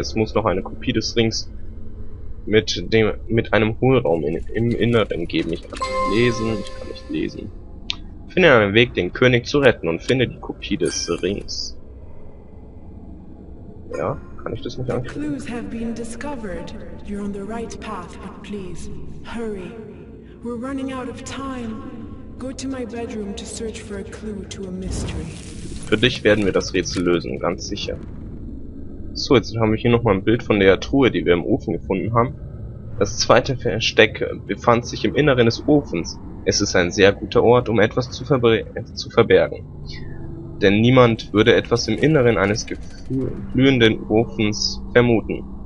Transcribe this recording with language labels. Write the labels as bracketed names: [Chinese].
[German] Es muss noch eine Kopie des Rings mit einem Hohlraum im Inneren geben. Ich kann nicht lesen, ich kann nicht lesen. Finde einen Weg, den König zu retten, und finde die Kopie des Rings. Ja? Kann ich das nicht angucken? [English] Clues have been discovered. You're on the right path, but please, hurry. We're running out of time. Go to my bedroom to search for a clue to a mystery. [German] Für dich werden wir das Rätsel lösen, ganz sicher. So, jetzt haben wir hier nochmal ein Bild von der Truhe, die wir im Ofen gefunden haben. Das zweite Versteck befand sich im Inneren des Ofens. Es ist ein sehr guter Ort, um etwas zu verbergen. Denn niemand würde etwas im Inneren eines glühenden Ofens vermuten.